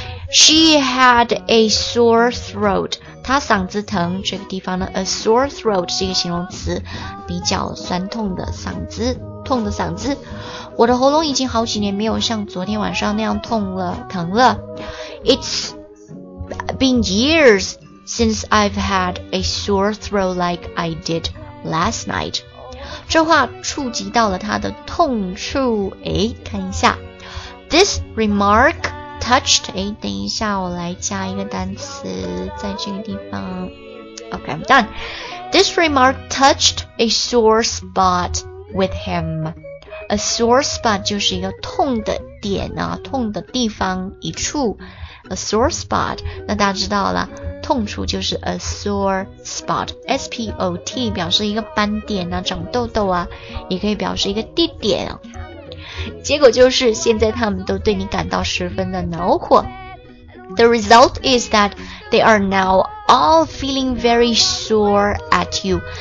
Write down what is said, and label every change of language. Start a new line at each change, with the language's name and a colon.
English: She had a sore throat.
Chinese: 她嗓子疼，这个地方呢 ，a sore throat 是一个形容词，比较酸痛的嗓子。痛的嗓子，我的喉咙已经好几年没有像昨天晚上那样痛了，疼了。
English: It's been years since I've had a sore throat like I did last night.
Chinese: 这话触及到了他的痛处，哎，看一下。
English: This remark touched,
Chinese: 哎，等一下我来加一个单词在这个地方。
English: Okay, I'm done. This remark touched a sore spot. With him,
Chinese: a sore spot 就是一个痛的点啊，痛的地方一处 ，a sore spot。那大家知道了，痛处就是 a sore spot, S P O T 表示一个斑点啊，长痘痘啊，也可以表示一个地点。结果就是现在他们都对你感到十分的恼火。
English: The result is that they are now all feeling very sore at you.